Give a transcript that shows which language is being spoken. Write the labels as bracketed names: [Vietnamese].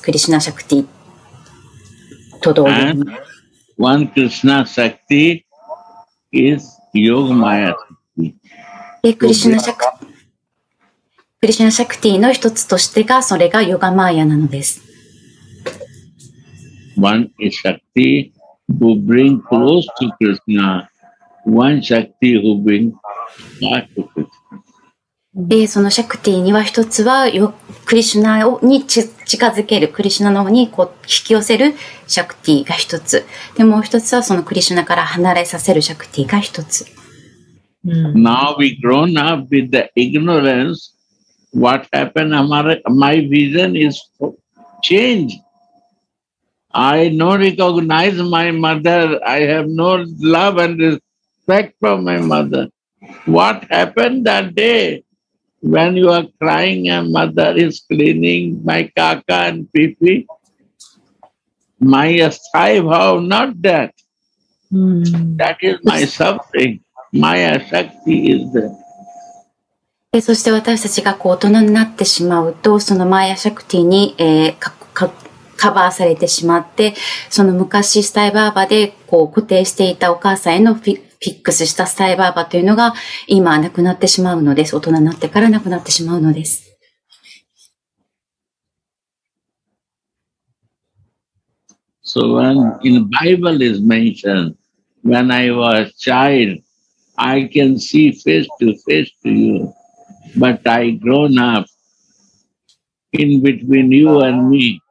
[Japanese] クリシュナシャクティと同様に。 [English] One Krishna Shakti is Yoga Maya Shakti. [Japanese] で、クリシュナシャクティの一つとしてが、それがヨガマヤなのです。 [English] One is Shakti who bring close to Krishna. One Shakti who bring far to Krishna. [Japanese] で、そのシャクティには一つはクリシュナに近づける、クリシュナの方にこう引き寄せるシャクティが一つ。で、もう一つはそのクリシュナから離れさせるシャクティが一つ。 [English] Now we grown up with the ignorance. What happened? My vision is changed. I no recognize my mother. I have no love and respect for my mother. What happened that day? When you are crying and mother is cleaning my kaka and pipi, my sthai bhav, not that.、That is my suffering. My shakti is there. [Japanese] そして私たちがこう大人になってしまうと、そのマヤシャクティに、カバーされてしまって、その昔スタイバーバでこう固定していたお母さんへのフィックスしたスタイバーバというのが今亡くなってしまうのです。大人になってから亡くなってしまうのです。 [English] So when in the Bible is mentioned, when I was a child, I can see face to face to you, but I grown up in between you and me.